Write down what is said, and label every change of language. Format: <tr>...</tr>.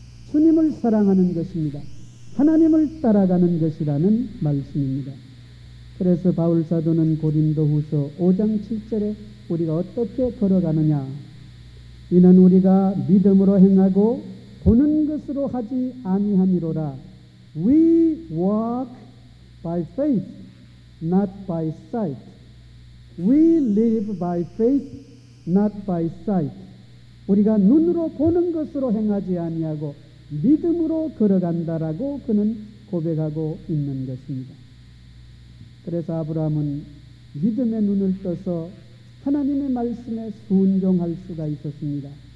<ko>주님을 사랑하는 것입니다. 하나님을 따라가는 것이라는 말씀입니다. 그래서 바울사도는 고린도후서 5장 7절에 우리가 어떻게 걸어가느냐 이는 우리가 믿음으로 행하고 보는 것으로 하지 아니하니로라.</ko> <en>We walk by faith, not by sight. We live by faith, not by sight.</en> <ko>우리가 눈으로 보는 것으로 행하지 아니하고 믿음으로 걸어간다라고 그는 고백하고 있는 것입니다. 그래서 아브라함은 믿음의 눈을 떠서 하나님의 말씀에 순종할 수가 있었습니다.</ko>